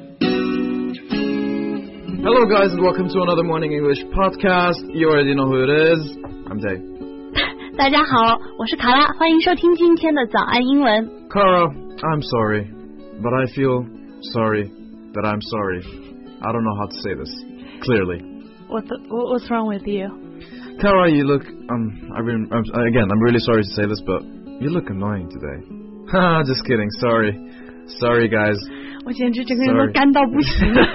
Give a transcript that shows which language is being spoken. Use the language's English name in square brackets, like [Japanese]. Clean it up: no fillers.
[English] Hello guys and welcome to another Morning English podcast. You already know who it is. I'm Dave. [Chinese] 大家好，我是卡拉，欢迎收听今天的早安英文。 [English] Cara, I'm sorry, but I feel sorry that I'm sorry. I don't know how to say this clearly. What's wrong with you? Cara, you look I'm really sorry to say this, but you look annoying today. Just kidding. Sorry. Sorry, guys. [Chinese] 我简直整个人都干到不行。